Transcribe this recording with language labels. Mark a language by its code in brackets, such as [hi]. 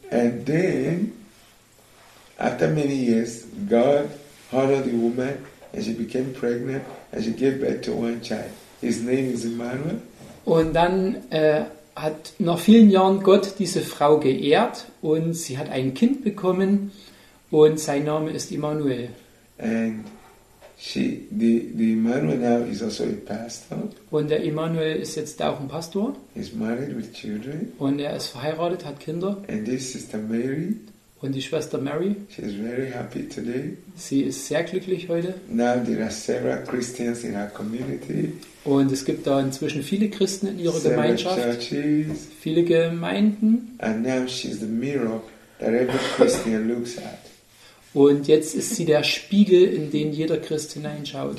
[en] And then, after many years, God honored the woman and she became pregnant and she gave birth to one child. His name is Emmanuel. [de] Und dann hat nach vielen Jahren Gott diese Frau geehrt und sie hat ein Kind bekommen und sein Name ist Emmanuel. [en] And the Emmanuel now is also a pastor. [de] Und der Emmanuel ist jetzt auch ein Pastor. [en] He's married with children. [de] Und er ist verheiratet, hat Kinder. [en] And this Sister Mary. [de] Und die Schwester Mary. [en] She is very happy today. [de] Sie ist sehr glücklich heute. [en] Now there are several Christians in our community. [de] Und es gibt da inzwischen viele Christen in ihrer [en] several [de] Gemeinschaft. [en] Churches. [de] Viele Gemeinden. [en] And now she is the mirror that every Christian looks at. [de] Und jetzt ist sie der Spiegel, in den jeder Christ hineinschaut.